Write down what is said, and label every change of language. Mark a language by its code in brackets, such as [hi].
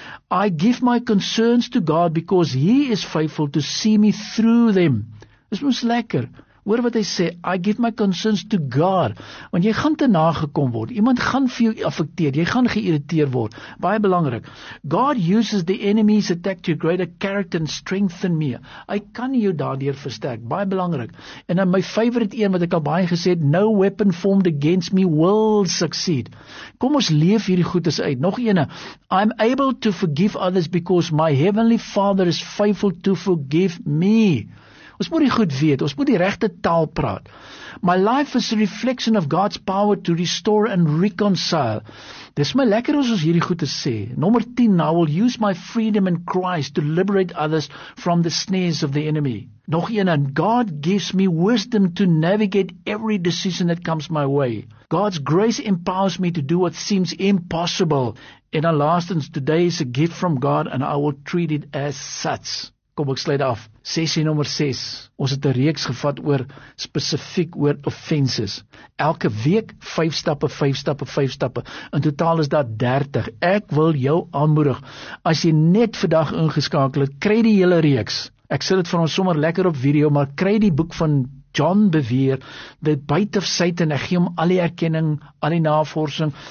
[en] I give my concerns to God because he is faithful to see me through them. [af] Dis mos lekker. Hoor wat hy sê, [en] I give my concerns to God. [af] Want jy gaan te nagekom word, iemand gaan vir jou affekteer, jy gaan geïrriteer word. Baie belangrik. [en] God uses the enemy's attack to greater character and strengthen me. [af] Hy kan jou daardeur versterk, baie belangrik. En dan my favorite een wat ek al baie gesê het, [en] no weapon formed against me will succeed. [af] Kom ons leef hierdie goedes uit. Nog ene, [en] I'm able to forgive others because my heavenly father is faithful to forgive me. [af] Ons moet die goed weet, ons moet die regte taal praat. [en] My life is a reflection of God's power to restore and reconcile. [af] Dis my lekker as ons hierdie goed te sê. Nummer 10, [en] I will use my freedom in Christ to liberate others from the snares of the enemy. [af] Nog een, [en] and God gives me wisdom to navigate every decision that comes my way. God's grace empowers me to do what seems impossible. And at last, today is a gift from God and I will treat it as such. [af] Kom, ek sluit af. Sessie nummer 6. Ons het 'n reeks gevat oor spesifiek oor offenses. Elke week 5 stappe, 5 stappe, 5 stappe. In totaal is daar 30. Ek wil jou aanmoedig. As jy net vandag ingeskakel het, kry die hele reeks. Ek sit het vir ons sommer lekker op video, maar kry die boek van John Bevere, The Bite of Satan, ek gee hom al die erkenning, al die navorsing.